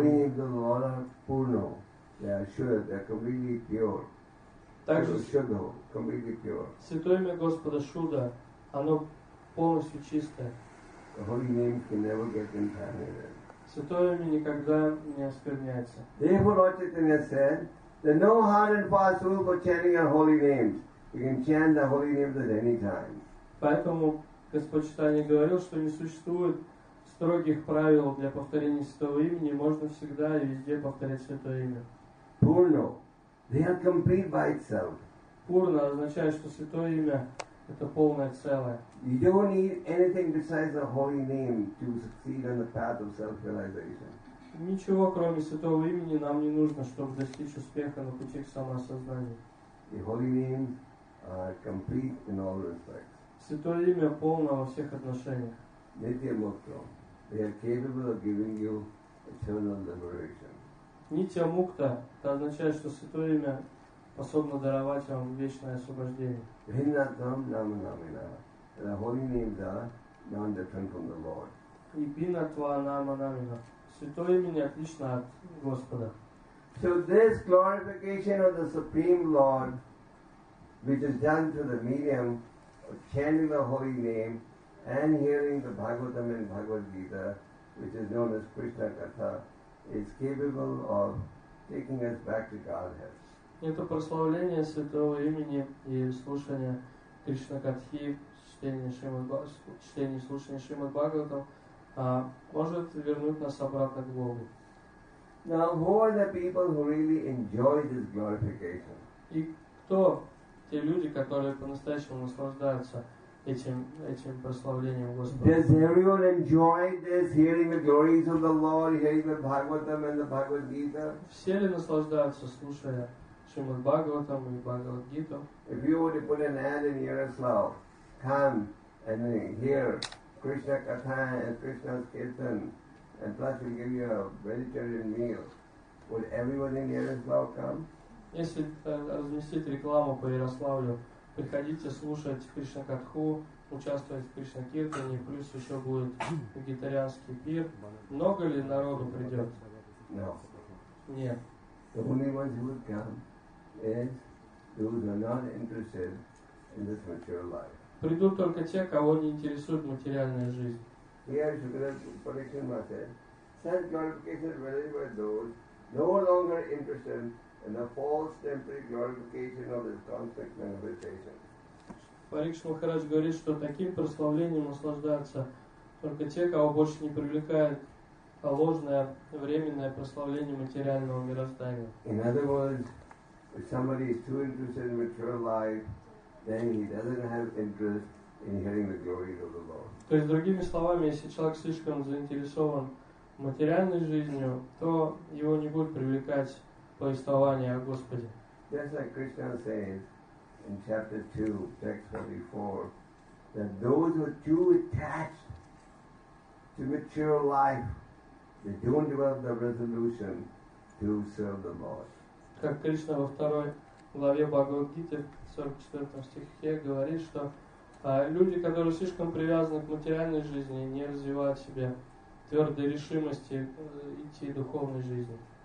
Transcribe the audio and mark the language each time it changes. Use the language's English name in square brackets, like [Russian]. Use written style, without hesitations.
[Russian] именем. Также святое имя Господа Шуда, оно полностью чистое. [English] The holy name can never get contaminated. [Russian] Святое имя никогда не оскверняется. [English] Therefore, Lord Chaitanya said, there are no hard and fast rules for chanting our holy names. You can chant the holy names at any time. [Russian] Поэтому Господь Читания говорил, что не существует строгих правил для повторения святого имени. Можно всегда и везде повторять святое имя. [English] Purno. They are complete by itself. [Russian] Purna означает, что святое имя это полное целое. [English] You don't need anything besides the holy name to succeed on the path of self-realization. [Russian] Ничего кроме святого имени нам не нужно, чтобы достичь успеха на пути к самосознанию. [English] The holy name are complete in all respects. [Russian] Святое имя полно во всех отношениях. [English] Nitya Mukta, they are capable of giving you eternal liberation. [Russian] Nitya Mukta, это означает, что святое имя способно даровать вам вечное освобождение. [Sanskrit] Виннатам нама намирах. [English] The holy names are non-different from the Lord. [Sanskrit] И Виннатва нама намирах. [Russian] Святое имя не отлично от Господа. [English] So this glorification of the Supreme Lord, which is done through the medium of chanting the holy name and hearing the Bhagavatam and Bhagavad Gita, which is known as Krishna Katha, is capable of taking us back to Godhead. [Russian] Это прославление святого имени и слушание Кришна Катхи, чтение и слушание Шримад Бхагаватам может вернуть нас обратно к Богу. [English] Now, who are the people who really enjoy this glorification? [Russian] И кто те люди, которые по-настоящему наслаждаются этим прославлением Господа? [English] Does everyone enjoy this, hearing the glories of the Lord, hearing the Bhagavatam and the Bhagavad Gita? [Russian] Все ли наслаждаются, слушая Шримад Бхагаватам и Бхагавад Гиту? [English] If you were to put an ad in Yaroslav, come and hear Krishna Katha and Krishna's Kirtan, and plus we'll give you a vegetarian meal, would everyone in Yaroslav come? [Russian] Если разместить рекламу по Ярославлю, приходите слушать Кришна Катху, участвовать в Кришна Киртане, плюс еще будет вегетарианский пир. Много ли народу придет? [English] No. [Russian] Нет. [English] The only ones who would come is those who are not interested in this material life. [Russian] Придут только те, кого не интересует материальная жизнь. [English] Here Shukadev Parikshima said, such glorification is valid by those no longer interested in the false temporary glorification of this conflict manifestation. [Russian] Парикшин Махарадж говорит, что таким прославлением наслаждаются только те, кого больше не привлекает ложное временное прославление материального мироздания. [English] In other words, if somebody is too interested in material life, then he doesn't have interest in hearing the glory of the Lord. [Russian] То есть другими словами, если человек слишком заинтересован материальной жизнью, то его не будет привлекать повествование о Господе. [English] Just like Krishna says in chapter 2, text 44, that those who are too attached to material life, they don't develop the resolution to serve the Lord. [Russian] Как Кришна во второй главе Бхагавад-гиты, в 44 стихе, говорит, что люди, которые слишком привязаны к материальной жизни, не развивают в себе твердой решимости идти духовной жизни.